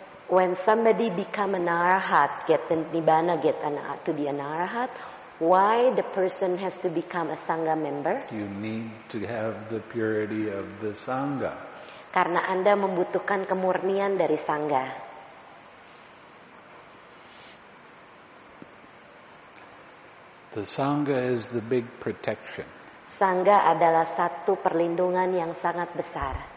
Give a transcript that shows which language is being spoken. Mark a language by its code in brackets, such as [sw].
[en] When somebody become an arahat, get the nibbana, get to be an arahat, why the person has to become a sangha member? You need to have the purity of the sangha. [id] Karena Anda membutuhkan kemurnian dari sangha. [en] The sangha is the big protection. [id] Sangha adalah satu perlindungan yang sangat besar.